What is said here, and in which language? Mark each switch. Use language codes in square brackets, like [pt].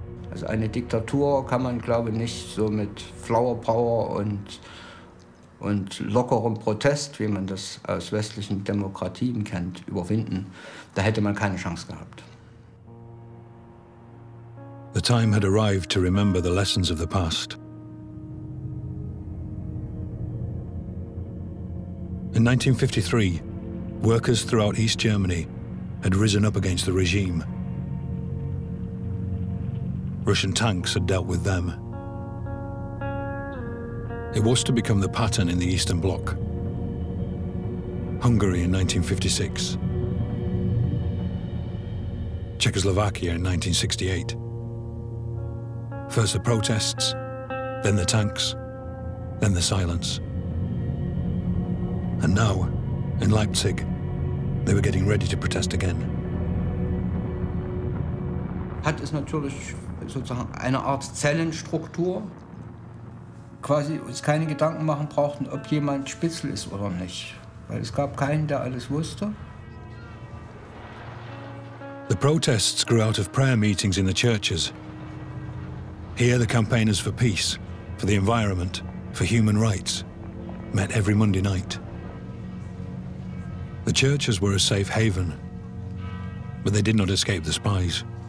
[de] Also eine Diktatur kann man, glaube ich, nicht so mit Flower Power und lockerem Protest, wie man das aus westlichen Demokratien kennt, überwinden. Da hätte man keine Chance gehabt. [en] The time had arrived to remember the lessons of the past. In 1953, workers throughout East Germany had risen up against the regime. Russian tanks had dealt with them. It was to become the pattern in the Eastern Bloc. Hungary in 1956. Czechoslovakia in 1968. First the protests, then the tanks, then the silence. And now, in Leipzig, they were getting ready to protest again. [de] Hat es natürlich sozusagen eine Art Zellenstruktur. Quasi uns keine Gedanken machen brauchten, ob jemand Spitzel ist oder nicht. Weil es gab keinen, der alles wusste. [en] The protests grew out of prayer meetings in the churches. Here the campaigners for peace, for the environment, for human rights, met every Monday night. The churches were a safe haven, but they did not escape the spies.